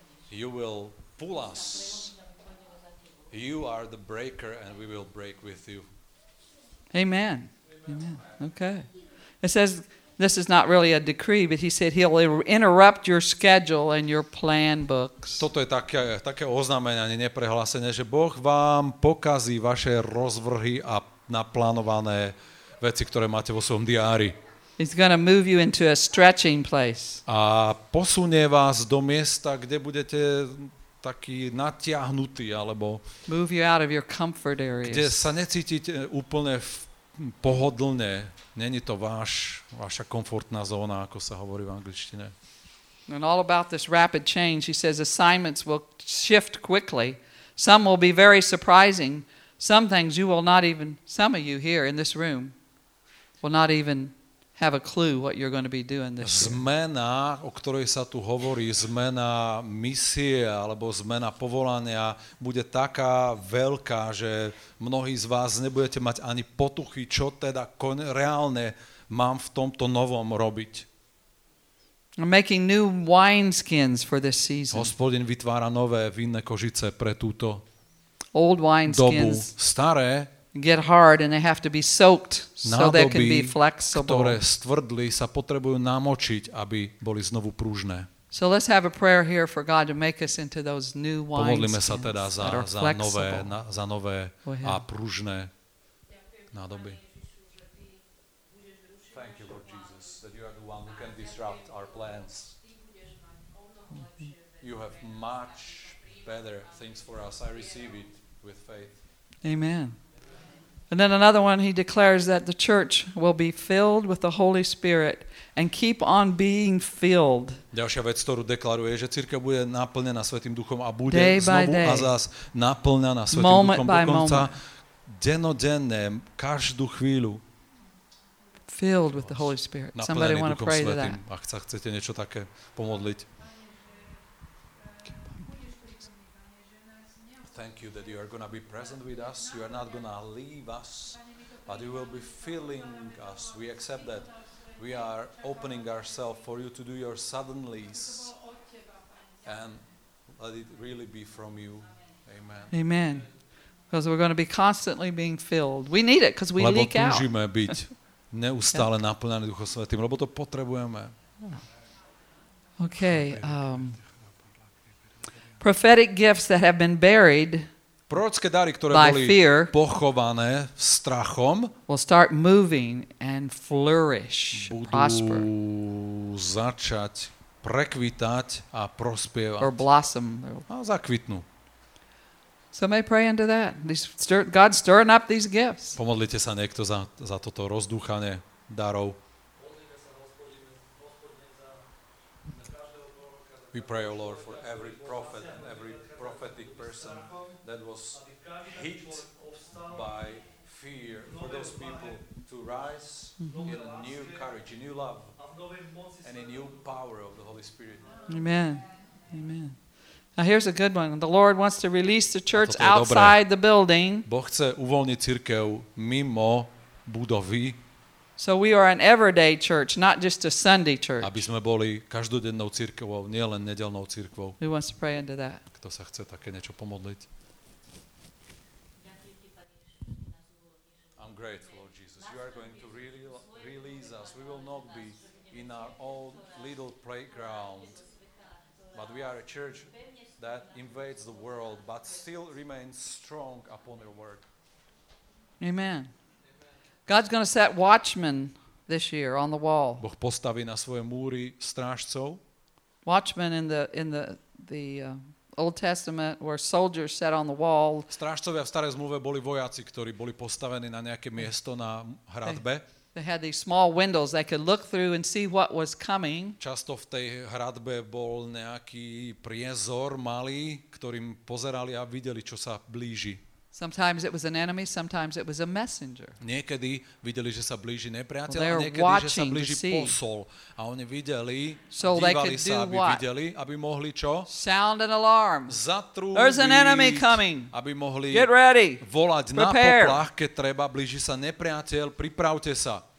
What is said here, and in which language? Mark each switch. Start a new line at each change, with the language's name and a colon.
English: You will pull us. You are the breaker and we will break with you. Amen. Amen. Okay. It says, this is not really a decree, but he said he'll interrupt your schedule and your plan books.
Slovak: Toto je také oznámenie, ani neprehlásenie, že Boh vám pokazí vaše rozvrhy a naplánované veci, ktoré máte vo svojom diári.
English: He's going to move you into a stretching place.
Slovak: A posunie vás do miesta, kde budete taký natiahnutý, alebo
English: move you out of your comfort areas.
Slovak: Kde sa necítite úplne pohodlne. Není to vaša komfortná zóna, ako sa hovorí v angličtine.
English: And all about this rapid change, he says assignments will shift quickly. Some will be very surprising. Some things you will not even, some of you here in this room, will not even have a clue what you're going to be doing this.
Slovak: Zmena, o ktorej sa tu hovorí, zmena misie alebo zmena povolania bude taká veľká, že mnohí z vás nebudete mať ani potuchy, čo teda reálne mám v tomto novom robiť.
English: I'm making new wineskins for this season.
Slovak: Hospodin vytvára nové vinné kožice pre túto
English: old wineskins.
Slovak: Staré
English: get hard and they have to be soaked so
Slovak: nádoby,
English: they can be flexible.
Slovak: Ktoré stvrdli, sa potrebujú namočiť, aby boli znovu pružné.
English: So let's have a prayer here for God to make us into those new wine skins.
Slovak: Pomodlíme sa teda za nové a pružné nádoby.
English: Thank you, Lord Jesus, that you are the one who can disrupt our plans. You have much better things for us. I receive it with faith. Amen. And then another one, he declares that the church will be filled with the Holy Spirit and keep on being filled.
Slovak: Ďalšia vec, ktorú deklaruje, že cirkev bude naplnená Svätým Duchom a bude day znovu day. A zás naplnená Svätým
English: moment
Slovak: Duchom
English: by
Slovak: do konca
English: moment.
Slovak: Dennodenne, každú chvíľu.
English: Filled with the Holy Spirit. Somebody want to pray to that.
Slovak: Ak sa chcete niečo také pomodliť.
English: Thank you that you are going to be present with us. You are not going to leave us, but you will be filling us. We accept that. We are opening ourselves for you to do your suddenlies and let it really be from you. Amen. Amen. Because we're going to be constantly being filled. We need it because we leak out.
Slovak: Lebo túžime byť neustále naplnení Duchom Svätým, lebo to potrebujeme.
English: Okay. Prophetic gifts that have been buried
Slovak: prorocké dary, ktoré boli
English: fear,
Slovak: pochované strachom,
English: will start moving and flourish, prosper.
Slovak: Budú začať prekvitať a prospievať.
English: Or blossom.
Slovak: A zakvitnú.
English: So may pray into that. God stirring up these gifts.
Slovak: Pomodlite sa niekto za toto rozdúchanie darov.
English: We pray, O Lord, for every prophet and every prophetic person that was hit by fear, for those people to rise in a new courage, a new love, and a new power of the Holy Spirit. Amen. Amen. Now here's a good one. The Lord wants to release the church outside the building.
Slovak: Boh chce uvoľniť cirkev mimo budovy.
English: So we are an everyday church, not just a Sunday church.
Slovak: Aby sme boli každodennou cirkvou, nie len nedeľnou cirkvou.
English: Who wants to pray into that?
Slovak: Kto sa chce také niečo pomodliť?
English: I'm grateful, Lord Jesus. You are going to release us. We will not be in our own little playground. But we are a church that invades the world, but still remains strong upon your word. Amen. God's going to set watchmen this year on the wall.
Slovak: Boh postaví na svoje múry strážcov.
English: Watchmen in the Old Testament were soldiers set on the wall.
Slovak: Strážcovia v starej zmluve boli vojaci, ktorí boli postavení na nejaké miesto na hradbe.
English: They had these small windows they could look through and see what was coming.
Slovak: Často v tej hradbe bol nejaký priezor malý, ktorým pozerali a videli, čo sa blíži.
English: Sometimes it was an enemy, sometimes it was a messenger.
Slovak: Niekedy videli, že sa blíži nepriateľ, well, niekedy, že sa blíži posol. A oni videli,
English: so
Slovak: dívali sa, aby videli, aby mohli čo?
English: Sound an alarm.
Slovak: Zatrúbiť.
English: There's an enemy coming.
Slovak: Aby mohli
English: get ready.
Slovak: Volať
English: prepare.
Slovak: Na poplach, keď treba, blíži sa nepriateľ, pripravte sa.